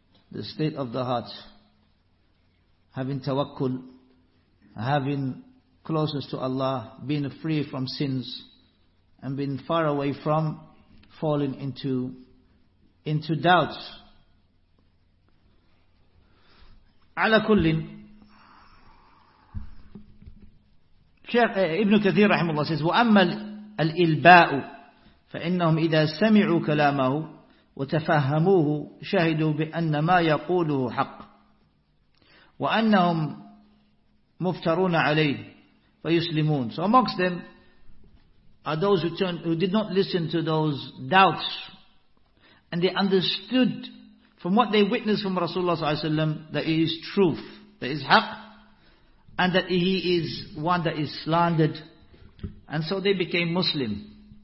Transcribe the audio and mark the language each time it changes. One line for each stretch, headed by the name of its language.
English: The state of the heart. Having tawakkul, having closeness to Allah, being free from sins, and being far away from falling into doubts.
Arabic: على كل شيخ ابن كثير رحمه الله says, وأما الإلباء فإنهم إذا سمعوا كلامه وتفهموه شهدوا بأن ما يقوله حق وأنهم مفترون عليه فيسلمون.
English: So amongst them are those who did not listen to those doubts, and they understood from what they witnessed from Rasulullah sallallahu alaihi wasallam that he is truth, that is haq, and that he is one that is slandered, and so they became Muslim.